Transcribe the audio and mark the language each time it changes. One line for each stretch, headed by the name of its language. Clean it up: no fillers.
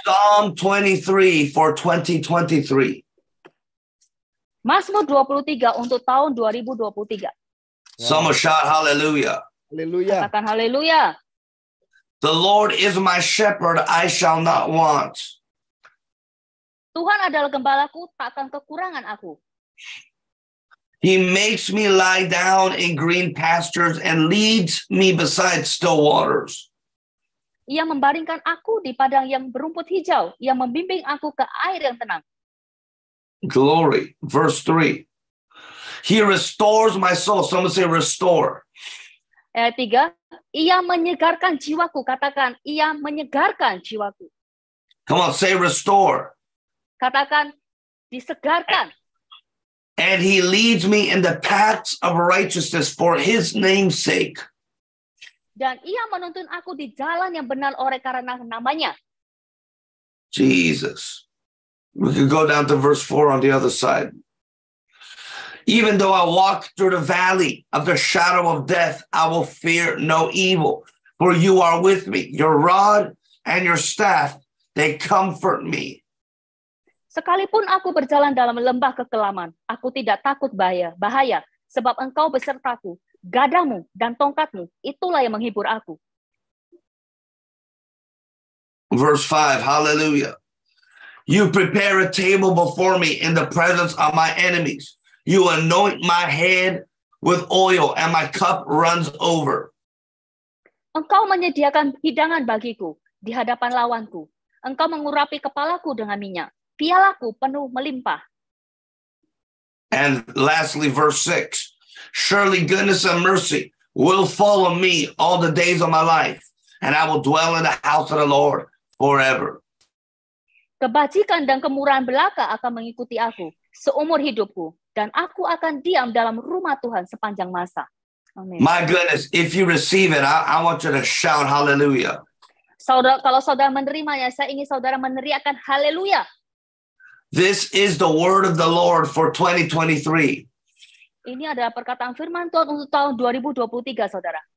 English: Psalm 23 for 2023.
Indonesian: Mazmur 23 untuk tahun 2023.
English: Some shout hallelujah. Hallelujah.
Indonesian: Katakan hallelujah.
English: The Lord is my shepherd, I shall not want.
Indonesian: Tuhan adalah gembalaku, takkan kekurangan aku.
English: He makes me lie down in green pastures and leads me beside still waters.
Indonesian: Ia membaringkan aku di padang yang berumput hijau. Ia membimbing aku ke air yang tenang.
English: Glory. Verse 3. He restores my soul. Someone say restore.
Indonesian: Ayat 3. Ia menyegarkan jiwaku. Katakan, ia menyegarkan jiwaku.
English: Come on, say restore.
Indonesian: Katakan, disegarkan.
English: And he leads me in the paths of righteousness for his name's sake.
Indonesian: Dan ia menuntun aku di jalan yang benar oleh karena namanya.
English: Jesus. We could go down to verse 4 on the other side. Even though I walk through the valley of the shadow of death, I will fear no evil. For you are with me. Your rod and your staff, they comfort me.
Indonesian: Sekalipun aku berjalan dalam lembah kekelaman, aku tidak takut bahaya, sebab engkau besertaku. Gadamu dan tongkatmu, itulah yang menghibur aku.
English: Verse 5, hallelujah. You prepare a table before me in the presence of my enemies. You anoint my head with oil and my cup runs over.
Indonesian: Engkau menyediakan hidangan bagiku di hadapan lawanku. Engkau mengurapi kepalaku dengan minyak. Pialaku penuh melimpah.
English: And lastly, verse 6. Surely goodness and mercy will follow me all the days of my life, and I will dwell in the house of the Lord forever.
Indonesian: Kebajikan dan kemurahan belaka akan mengikuti aku seumur hidupku, dan aku akan diam dalam rumah Tuhan sepanjang masa.
English: Amen. My goodness, if you receive it, I want you to shout hallelujah.
Indonesian: Saudara, kalau saudara menerimanya, saya ingin saudara meneriakkan hallelujah.
English: This is the word of the Lord for 2023.
Indonesian: Ini adalah perkataan firman Tuhan untuk tahun 2023, saudara.